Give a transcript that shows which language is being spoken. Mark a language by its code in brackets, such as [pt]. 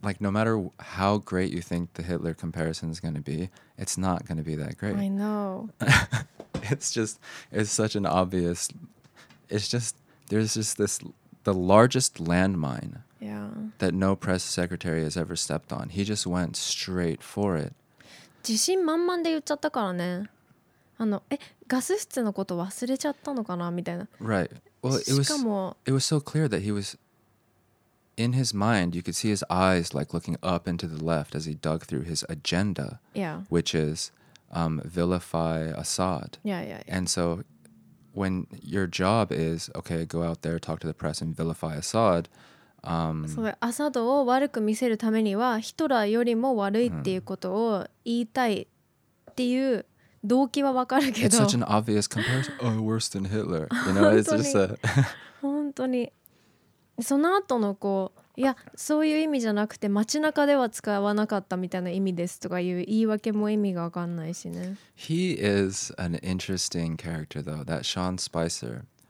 [en] Like, no matter how great you think the Hitler comparison is going to be, it's not going to be that great. I know. it's such an obvious, there's just this, the largest landmine. Yeah. That no press secretary has ever stepped on. He just went straight for it. [ja] 自信満々で言っちゃったからね。あの、え、ガス室のこと忘れちゃったのかなみたいな。 [en] Right. Well, it was so clear that he was in his mind. You could see his eyes like looking up and to the left as he dug through his agenda. Yeah. Which is vilify Assad. Yeah. And so when your job is, okay, go out there, talk to the press and vilify Assad. [ja] そう、アサドを悪く見せるためにはヒトラーよりも悪いっていうことを言いたいっていう動機はわかるけど、 [en] It's such an obvious comparison. Oh, worse than Hitler. You know, it's just a [ja] 本当にその後のこう、いや、そういう意味じゃなくて街中では使わなかったみたいな意味ですとかいう言い訳も意味がわかんないしね。 [en] He is an interesting character though, that Sean Spicer.